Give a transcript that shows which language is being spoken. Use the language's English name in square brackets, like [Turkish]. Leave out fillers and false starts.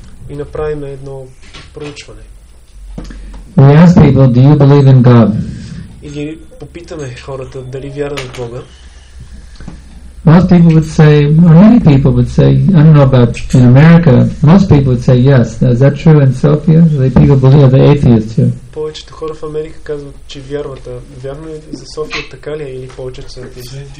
[Bulgarian] и направиме едно проучване, [English] we ask people, do you believe in God? [Bulgarian] И ги попитаме хората дали вярват в Бога. [English] Most people would say, or many people would say, I don't know about in America, most people would say yes. Is that true in Sofia? The people believe the atheists here. [Bulgarian] Повечето хора в Америка казват, че вярват. Вярно ли за София така ли е или повечето са атеисти?